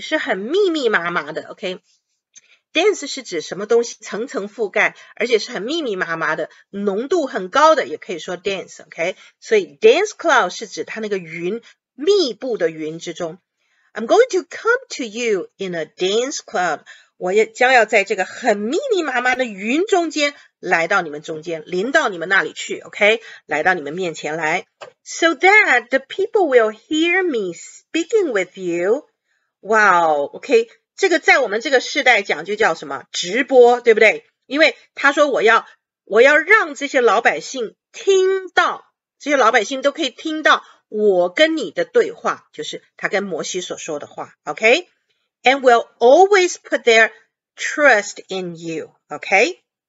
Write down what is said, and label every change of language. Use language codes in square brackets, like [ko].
[zh] 是很密密麻麻的，OK。dense 是指什么东西层层覆盖，而且是很密密麻麻的，浓度很高的，也可以说 dense，OK。 [en] 所以 dense cloud 是指它那个云。密布的云之中， I'm going to come to you in a dense cloud。 [zh] 我也将要在这个很密密麻麻的云中间来到你们中间，临到你们那里去，OK？ [en] 来到你们面前来， so that the people will hear me speaking with you。哇哦，OK？ [zh] 这个在我们这个世代讲就叫什么直播，对不对？因为他说我要让这些老百姓听到，这些老百姓都可以听到。我跟你的对话就是他跟摩西所说的话，OK？ And will always put their trust in you， OK？